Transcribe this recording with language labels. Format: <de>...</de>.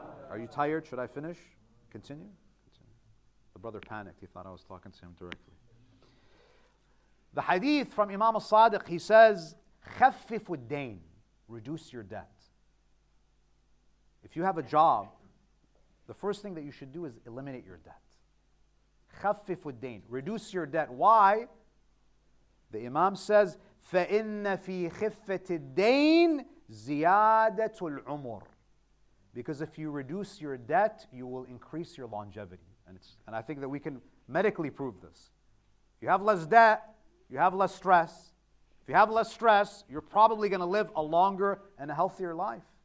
<en>Are you tired? Should I finish? Continue. The brother panicked. He thought I was talking to him directly. The hadith from Imam al-Sadiq, he says,</en> <ar>خَفِّفُ الدَّيْنِ.</ar> <en>Reduce your debt. If you have a job, the first thing that you should do is eliminate your debt.</en> <ar>خَفِّفُ الدَّيْنِ.</ar> <en>Reduce your debt. Why? The Imam says,</en> <ar>فَإِنَّ فِي خِفَّةِ الدَّيْنِ زِيَادَةُ الْعُمُرِ.</ar> <en>Because if you reduce your debt, you will increase your longevity. And I think that we can medically prove this. You have less debt, you have less stress. If you have less stress, you're probably going to live a longer and a healthier life.</en>